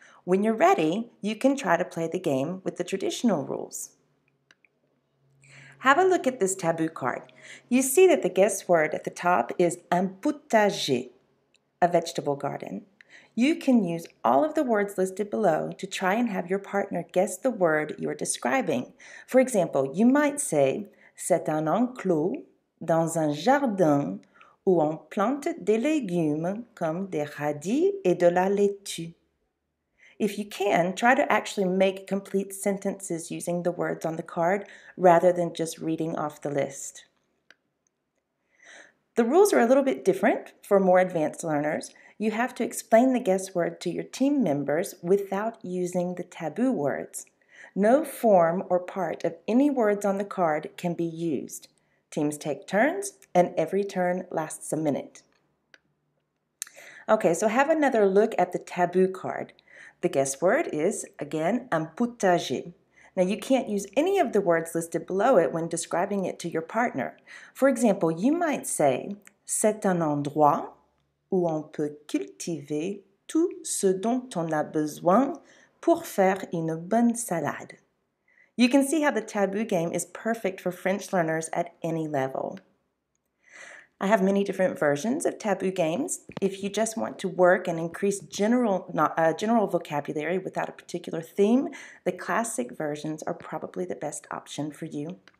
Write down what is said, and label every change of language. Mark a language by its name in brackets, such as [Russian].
[English] When you're ready, you can try to play the game with the traditional rules. Have a look at this taboo card. You see that the guess word at the top is un potager, a vegetable garden. You can use all of the words listed below to try and have your partner guess the word you're describing. For example, you might say, [French] c'est un enclos dans un jardin où on plante des légumes comme des radis et de la laitue. [English] If you can, try to actually make complete sentences using the words on the card rather than just reading off the list. The rules are a little bit different for more advanced learners. You have to explain the guess word to your team members without using the taboo words. No form or part of any words on the card can be used. Teams take turns, and every turn lasts a minute. Okay, so have another look at the taboo card. The guess word is, again, un potager. Now, you can't use any of the words listed below it when describing it to your partner. For example, you might say, [French] c'est un endroit où on peut cultiver tout ce dont on a besoin pour faire une bonne salade. [English] You can see how the taboo game is perfect for French learners at any level. I have many different versions of taboo games. If you just want to work and increase general vocabulary without a particular theme, the classic versions are probably the best option for you.